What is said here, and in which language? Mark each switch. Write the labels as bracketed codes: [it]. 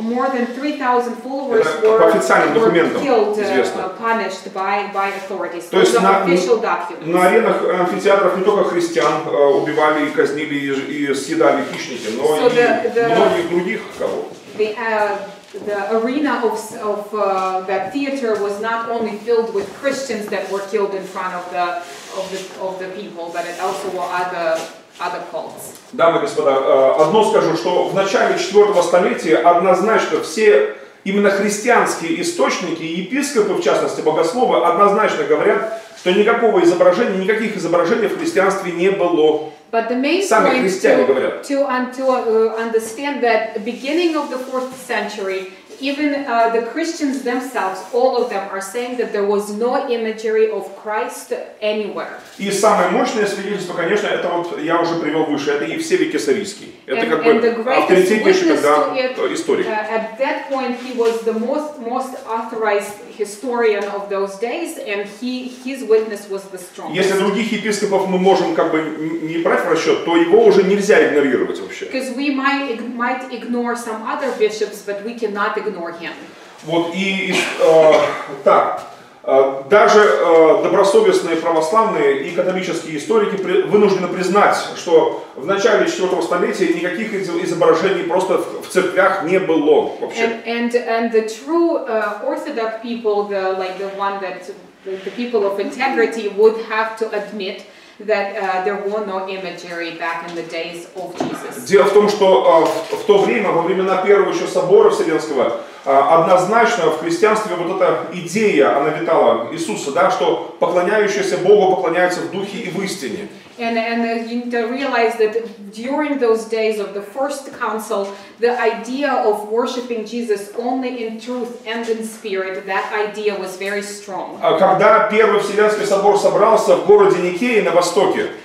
[en] more than 3000 followers were killed, punished by authorities. [ru] То есть на [en] official documents. [ru] На аренах амфитеатров не только христиан убивали и казнили и съедали хищники, но и многих других кого. [en] The arena of that theater was not only filled with Christians that were killed in front of the people, but it also were other cults. [ru] Дамы и господа, одно скажу, что в начале 4 столетия однозначно все именно христианские источники, епископы, в частности, богословы, однозначно говорят, что никакого изображения, никаких изображений в христианстве не было. [en] But the main [ru] Сами [en] point [ru] христиане говорят. [en] To understand that beginning of the 4th century, even the Christians themselves, all of them are saying that there was no imagery of Christ anywhere. [ru] И самое мощное свидетельство, конечно, это вот я уже привел выше, это Евсевий Кесарийский. Это как бы авторитетнейший тогда историк. [en] At that point he was the most authorized historian of those days, and his witness was the strongest. [ru] Если других епископов мы можем как бы не брать в расчет, то его уже нельзя игнорировать вообще. [en] Because we might ignore some other bishops, but we cannot ignore him. [ru] Вот и так. Даже добросовестные православные и католические историки вынуждены признать, что в начале 4 столетия никаких изображений просто в церквях не было вообще. [en] And the true orthodox people, the people of integrity would have to admit that there were no imagery back in the days of Jesus. [ru] Дело в том, что в то время, во времена первого еще собора Вселенского, однозначно в христианстве вот эта идея, она витала Иисуса, да, что поклоняющиеся Богу поклоняются в духе и в истине. [en] And you need to realize that during those days of the first council, the idea of worshiping Jesus only in truth and in spirit, that idea was very strong. [ru] Когда первый Вселенский собор собрался в городе Никея на востоке.